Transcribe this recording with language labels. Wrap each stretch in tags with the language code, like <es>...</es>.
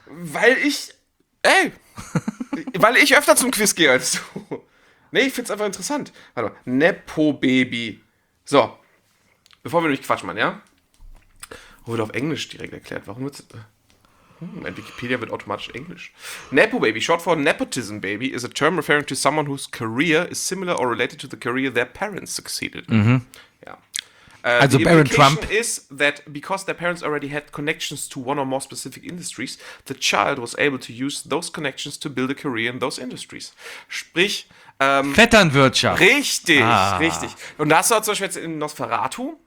<de>Weil ich. Ey! Weil ich öfter zum Quiz gehe als du. Nee, ich find's einfach interessant. Warte mal. Nepo-Baby. So. Bevor wir nämlich quatschen, Mann, ja? Wurde auf Englisch direkt erklärt. Warum wird's. Mein Wikipedia wird automatisch Englisch.</de> <en>Nepo-Baby, short for Nepotism Baby, is a term referring to someone whose career is similar or related to the career their parents succeeded. Mhm.</en> <de>Ja.</de> <en>Also the implication Trump. Is that because their parents already had connections to one or more specific industries, the child was able to use those connections to build a career in those industries.</en> <de>Sprich, Vetternwirtschaft. Richtig, ah. Richtig. Und das war zum Beispiel jetzt in Nosferatu.</de>